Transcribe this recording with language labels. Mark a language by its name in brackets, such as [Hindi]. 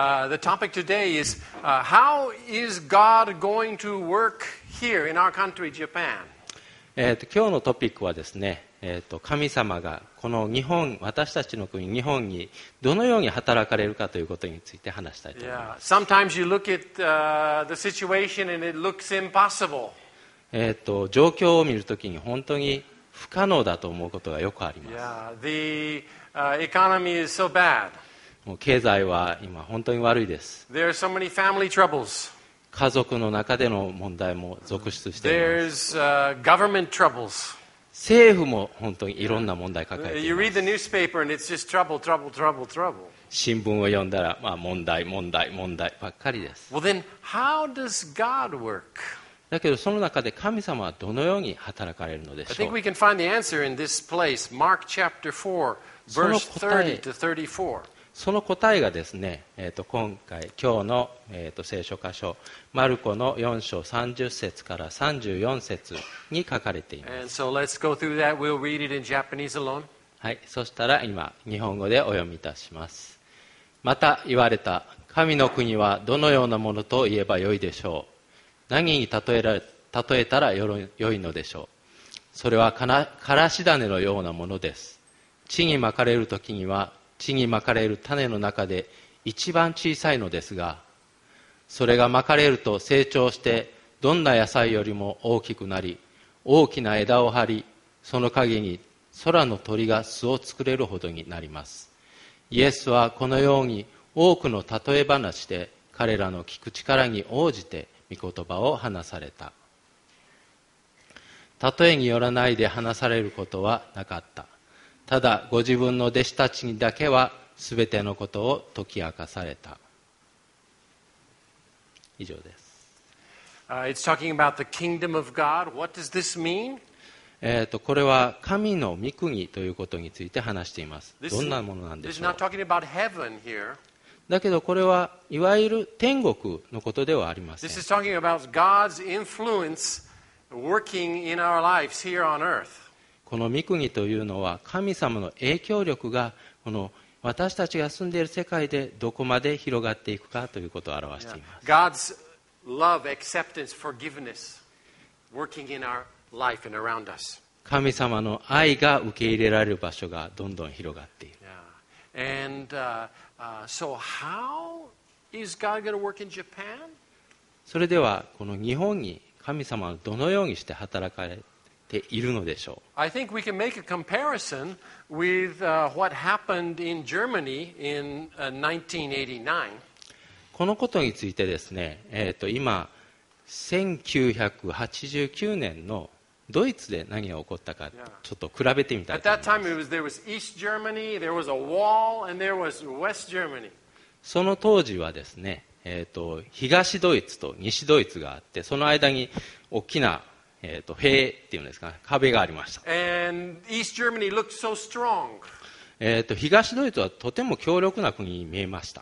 [English] The topic today is how is God going to work here in our country, Japan? [Japanese] 今日のトピックはですね、神様がこの日本、私たちの国、日本にどのように働かれるかということについて話したいと思います。 [English] Yeah. Sometimes you look at the situation and it looks impossible. [Japanese] 状況を見るときに本当に不可能だと思うことがよくあります。 [English] Yeah. The economy is so bad. [Japanese] もう経済は今本当に悪いです。 [English] There are so many family troubles. [Japanese] 家族の中での問題も続出しています。 [English] There's, government troubles. [Japanese] 政府も本当にいろんな問題抱えています。 [English] You read the newspaper and it's just trouble, trouble, trouble, trouble. [Japanese] 新聞を読んだら、まあ、問題、問題、問題ばっかりです。 [English] Well, then, how does God work? [Japanese] だけどその中で神様はどのように働かれるのでしょう。 [English] I think we can find the answer in this place. Mark chapter 4, verse 30 to 34. [Japanese] その答えがですね、今回今日の、聖書箇所マルコの4章30節から34節に書かれています。 [English] And so let's go through that. We'll read it in Japanese alone. [Japanese] はい、そしたら今日本語でお読みいたします。また言われた。神の国はどのようなものと言えばよいでしょう。何に例えたらよいのでしょう。それはからし種のようなものです。地にまかれるときには地にまかれる種の中で一番小さいのですが、それがまかれると成長してどんな野菜よりも大きくなり、大きな枝を張り、その陰に空の鳥が巣を作れるほどになります。イエスはこのように多くの例え話で彼らの聞く力に応じて御言葉を話された。例えによらないで話されることはなかった。ただご自分の弟子たちにだけはすべてのことを解き明かされた。以上です。 [English] It's talking about the kingdom of God. What does this mean? [Japanese] これは神の御国ということについて話しています。どんなものなんでしょう。 [English] This is not talking about heaven here. [Japanese] だけどこれはいわゆる天国のことではありません。 [English] This is talking about God's influence working in our lives here on earth. [Japanese] この御国というのは神様の影響力がこの私たちが住んでいる世界でどこまで広がっていくかということを表しています。 [English] God's love, acceptance, forgiveness working in our life and around us. [Japanese] 神様の愛が受け入れられる場所がどんどん広がっている。 [English] Yeah. And, so how is God going to work in Japan? [Japanese] それではこの日本に神様はどのようにして働かれているのでしょう。 [English] I think we can make a comparison with what happened in Germany in 1989. [Japanese] このことについてですね、今1989年のドイツで何が起こったかちょっと比べてみたいと思います。 [English] At that time it was, there was East Germany, there was a wall, and there was West Germany. [Japanese] その当時はですね、東ドイツと西ドイツがあって、その間に大きな塀っていうんですか、壁がありました。 [English] And East Germany looked so strong. [Japanese] 東ドイツはとても強力な国に見えました。